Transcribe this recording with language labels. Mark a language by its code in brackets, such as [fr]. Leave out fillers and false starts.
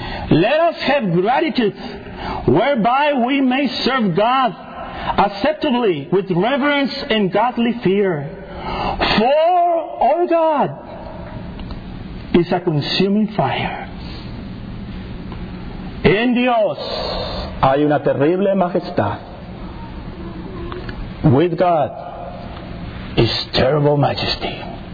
[en] Let us have gratitude whereby we may serve God acceptably with reverence and godly fear. For, our God is a consuming fire. [es] En Dios hay una terrible majestad. [en] With God is terrible majesty.